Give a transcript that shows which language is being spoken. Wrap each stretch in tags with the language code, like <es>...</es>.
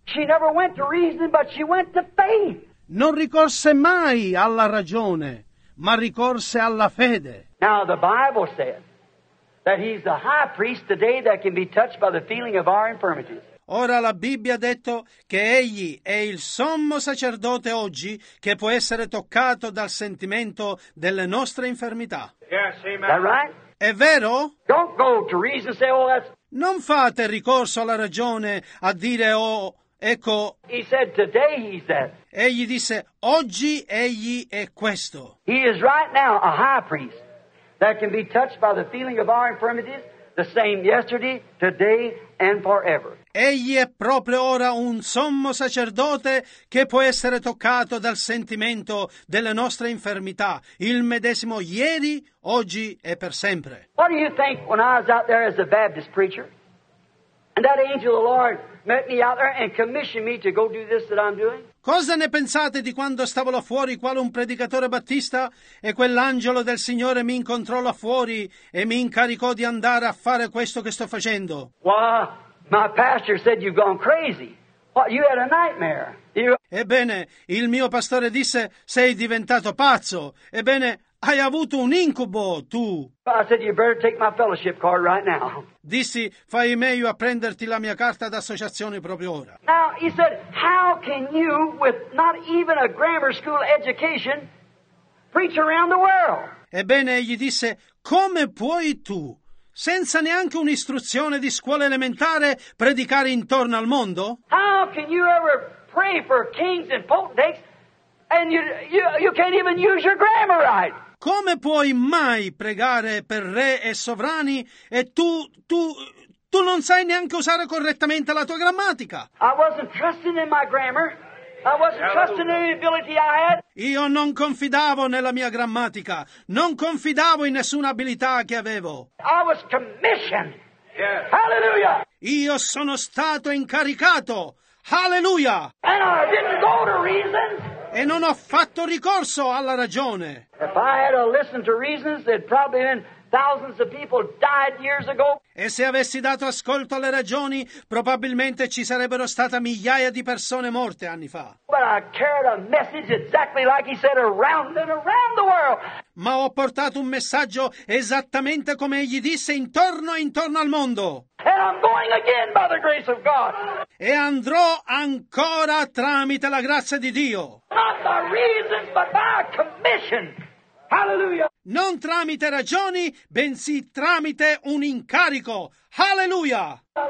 <en>She never went to reason, but she went to faith.</en> <it>Non ricorse mai alla ragione, ma ricorse alla fede.</it> <en>Now the Bible says that he's the high priest today that can be touched by the feeling of our infirmities.</en> <it>Ora la Bibbia ha detto che egli è il sommo sacerdote oggi che può essere toccato dal sentimento delle nostre infermità.</it> <en>Yes, amen. That right?</en> <it>È vero?</it> <en>Don't go to reason, say, oh, that's...</en> <it>Non fate ricorso alla ragione a dire, oh, ecco.</it> <en>He said, today he's that.</en> <it>Egli disse, oggi egli è questo.</it> <en>He is right now a high priest that can be touched by the feeling of our infirmities, the same yesterday, today and forever.</en> <it>Egli è proprio ora un sommo sacerdote che può essere toccato dal sentimento delle nostre infermità, il medesimo ieri, oggi e per sempre.</it> <en>What do you think when I was out there as a Baptist preacher, and that angel of the Lord met me out there and commissioned me to go do this that I'm doing?</en> <it>Cosa ne pensate di quando stavo là fuori quale un predicatore battista e quell'angelo del Signore mi incontrò là fuori e mi incaricò di andare a fare questo che sto facendo?</it> <en>Wow. My pastor said you've gone crazy. What, you had a nightmare.</en> <it>Ebbene, il mio pastore disse sei diventato pazzo. Ebbene, hai avuto un incubo tu.</it> <en>I said you better take my fellowship card right now.</en> <it>Dissi, fai meglio a prenderti la mia carta d'associazione proprio ora.</it> <en>Now he said, how can you, with not even a grammar school education, preach around the world?</en> <it>Ebbene, egli disse, come puoi tu, senza neanche un'istruzione di scuola elementare, predicare intorno al mondo?</it> <en>How can you ever pray for kings and potentates and you can't even use your grammar right?</en> <it>Come puoi mai pregare per re e sovrani e tu non sai neanche usare correttamente la tua grammatica?</it> <en>I wasn't trusting in my grammar. I wasn't trusting in the ability I had.</en> <it>Io non confidavo nella mia grammatica, non confidavo in nessuna abilità che avevo.</it> <en>I was commissioned. Yes. Hallelujah.</en> <it>Io sono stato incaricato. Hallelujah.</it> <en>And I didn't go to reason.</en> <it>E non ho fatto ricorso alla ragione.</it> <en>If I had to listen to reasons, there'd probably been thousands of people died years ago.</en> <it>E se avessi dato ascolto alle ragioni, probabilmente ci sarebbero state migliaia di persone morte anni fa.</it> <en>But I carried a message exactly like he said, around and around the world.</en> <it>Ma ho portato un messaggio esattamente come egli disse, intorno e intorno al mondo.</it> <en>And I'm going again by the grace of God.</en> <it>E andrò ancora tramite la grazia di Dio.</it> <en>Not by reason, but by commission. Hallelujah.</en> <it>Non tramite ragioni, bensì tramite un incarico. Hallelujah!</it>